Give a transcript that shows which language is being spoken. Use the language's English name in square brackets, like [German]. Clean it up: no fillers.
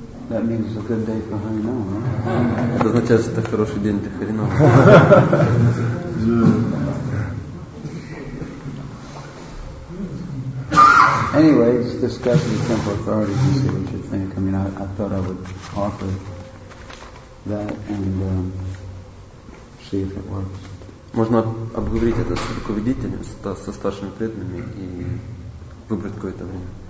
[English] That means a good day for Harinam, huh? [Russian] Это означает, что это хороший день для Харинам. [English] Anyway, it's discussing the temple authorities and see what you think. I mean, I thought I would offer that and see if it works. [Russian] Можно обговорить это с руководителем, со старшими преданными и выбрать какое-то время.